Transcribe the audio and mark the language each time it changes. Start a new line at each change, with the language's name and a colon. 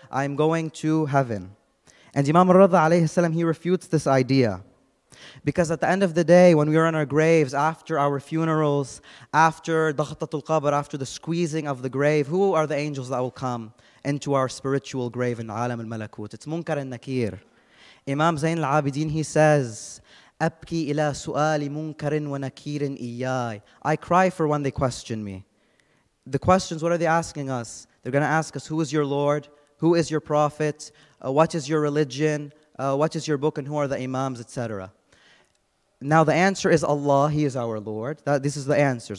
English: I am going to heaven. And Imam al-Ridha alayhi salam, he refutes this idea. Because at the end of the day, when we are in our graves, after our funerals, after dhaqtat al-qabr, after the squeezing of the grave, who are the angels that will come into our spiritual grave in alam al-malakut? It's munkar al-nakir. Imam Zain al-Abidin, he says,
Arabic: أَبْكِي إِلَى سُؤَالِ مُنْكَرٍ وَنَكِيرٍ إِيَّاي.
English: I cry for when they question me. The questions, what are they asking us? They're going to ask us, who is your Lord? Who is your Prophet? What is your religion? What is your book? And who are the Imams, etc.? Now the answer is Allah, He is our Lord. This is the answers.